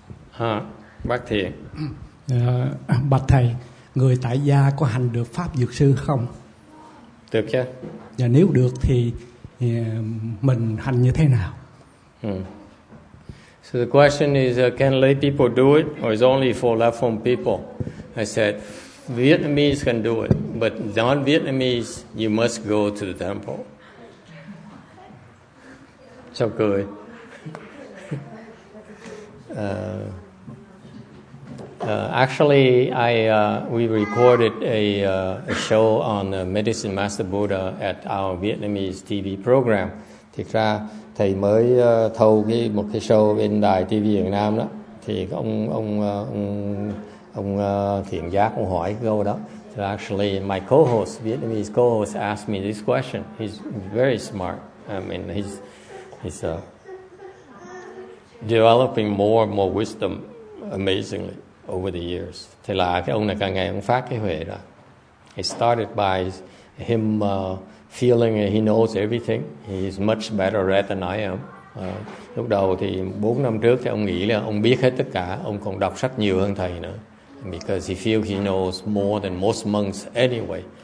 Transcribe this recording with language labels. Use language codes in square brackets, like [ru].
[vi] Hả? Bác Thiện. Bạch thầy, người tại gia có hành được pháp dược sư không? Được chứ. Và nếu được thì mình hành như thế nào? [en] So the question is, can lay people do it, or is only for left home people? I said, Vietnamese can do it, but non-Vietnamese, you must go to the temple. [vi] Chào cười. [en] Actually, we recorded a show on Medicine Master Buddha at our Vietnamese TV program. [vi] Thực ra thầy mới thâu cái một cái show bên đài TV Việt Nam đó, thì ông thiện giác cũng hỏi cái câu đó. [en] So actually, my co-host, Vietnamese co-host, asked me this question. He's very smart. I mean, he's developing more and more wisdom, amazingly, over the years. [vi] Thì là cái ông này càng ngày ông phát cái huệ đó. [en] It started by him feeling he knows everything. He's much better read than I am. [vi] Lúc đầu thì 4 năm trước thì ông nghĩ là ông biết hết tất cả, ông còn đọc sách nhiều hơn thầy nữa. [en] Because he feels he knows more than most monks anyway.